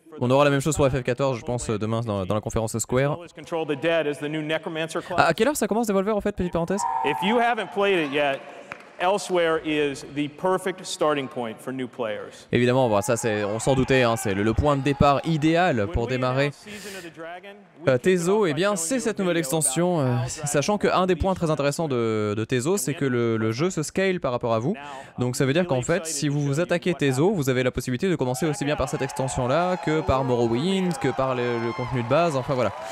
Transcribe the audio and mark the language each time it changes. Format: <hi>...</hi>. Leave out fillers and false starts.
<fr>On aura la même chose pour FF14, je pense, demain dans la conférence Square. À quelle heure ça commence, Devolver, en fait, petite parenthèse?</fr> <en>If you haven't played it yet, Elsewhere is the perfect starting point for new players.</en> <fr>Évidemment, bon, ça c'est, on s'en doutait, hein, c'est le point de départ idéal pour démarrer. Tezo, eh bien, c'est cette nouvelle extension. Sachant qu'un des points très intéressants de Tezo, c'est que le jeu se scale par rapport à vous. Donc ça veut dire qu'en fait, si vous vous attaquez Tezo, vous avez la possibilité de commencer aussi bien par cette extension-là, que par Morrowind, que par le contenu de base, enfin voilà.</fr>